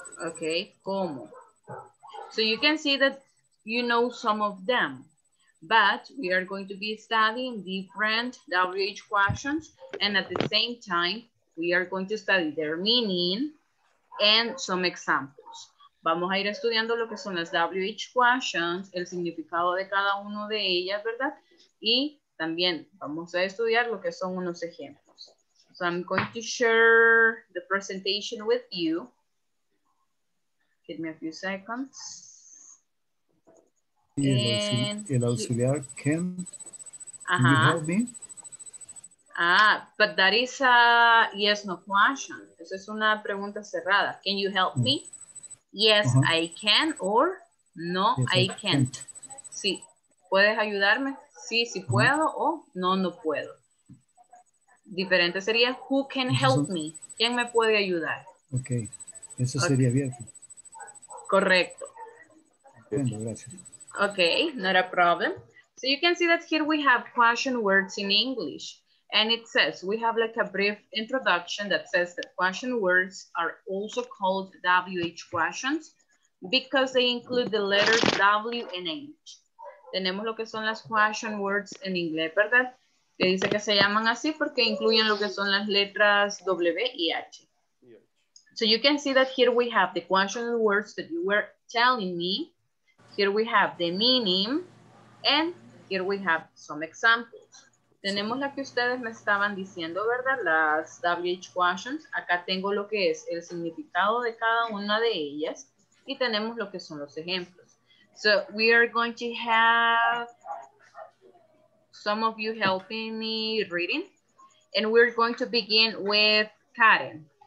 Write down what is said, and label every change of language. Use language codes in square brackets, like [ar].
[es] Okay, ¿cómo? [en] So you can see that you know some of them. But we are going to be studying different WH questions, and at the same time, we are going to study their meaning and some examples. [es] Vamos a ir estudiando lo que son las WH questions, el significado de cada uno de ellas, ¿verdad? Y también vamos a estudiar lo que son unos ejemplos. [en] So I'm going to share the presentation with you. Give me a few seconds. And el auxiliar, can you help me? Ah, but that is a yes, no question. [es] Esa es una pregunta cerrada. [en] Can you help me? Yes, I can, or no, yes, I can't. [es] Sí, ¿puedes ayudarme? Sí, sí puedo, o no, no puedo. Diferente sería, [en] who can help me? [es] ¿Quién me puede ayudar? Ok, eso sería abierto. Correcto. Entiendo, gracias. [en] Okay, not a problem. So you can see that here we have question words in English. And it says, we have like a brief introduction that says that question words are also called WH questions because they include the letters W and H. [es] Tenemos lo que son las question words en inglés, ¿verdad? Que dice que se llaman así porque incluyen lo que son las letras W y H. [en] So you can see that here we have the question words that you were telling me. Here we have the meaning, and here we have some examples. [es] Tenemos la que ustedes me estaban diciendo, ¿verdad? Las WH questions. Acá tengo lo que es el significado de cada una de ellas, y tenemos lo que son los ejemplos. [en] So we are going to have some of you helping me reading, and we're going to begin with Karen.